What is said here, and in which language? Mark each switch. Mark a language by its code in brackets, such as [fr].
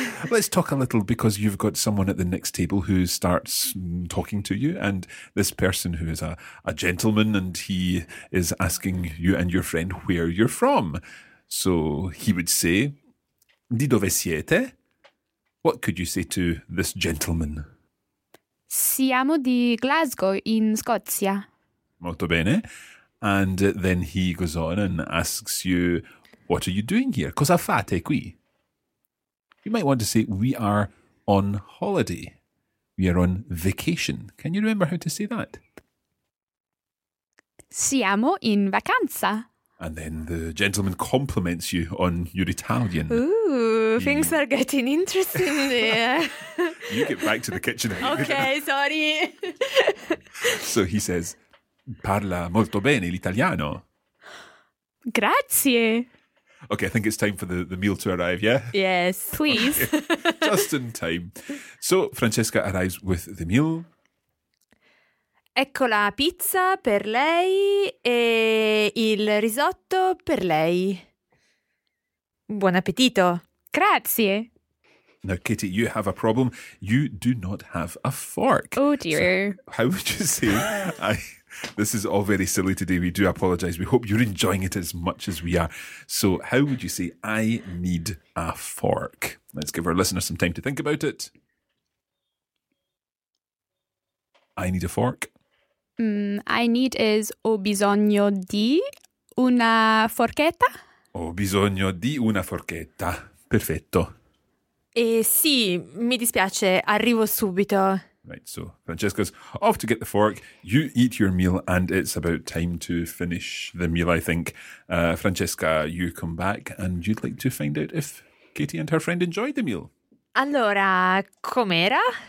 [en] Let's talk a little because you've got someone at the next table who starts talking to you. And this person who is a gentleman and he is asking you and your friend where you're from. So he would say, [it] Di dove siete? [en] What could you say to this gentleman? [it] Siamo di Glasgow in Scozia. Molto bene. [en] And then he goes on and asks you, what are you doing here? [it] Cosa fate qui? [en] You might want to say, we are on holiday. We are on vacation. Can you remember how to say that? [it] Siamo in vacanza. [en] And then the gentleman compliments you on your Italian. Ooh, things are getting interesting there. You get back to the kitchen. Okay, sorry. So he says, [it] parla molto bene l'italiano. Grazie. [en] Okay, I think it's time for the meal to arrive, yeah? Yes, please. Okay. Just in time. So Francesca arrives with the meal. [it] Ecco la pizza per lei e il risotto per lei. Buon appetito. Grazie. [en] Now, Kitty, you have a problem. You do not have a fork. Oh, dear. So how would you say... This is all very silly today. We do apologise. We hope you're enjoying it as much as we are. So how would you say, I need a fork? Let's give our listeners some time to think about it. I need a fork. I need is, [it] ho bisogno di una forchetta. Ho bisogno di una forchetta. Perfetto. Sì, mi dispiace. Arrivo subito. [en] Right, so Francesca's off to get the fork. You eat your meal and it's about time to finish the meal, I think. Francesca, you come back and you'd like to find out if Katie and her friend enjoyed the meal. [it] Allora, com'era?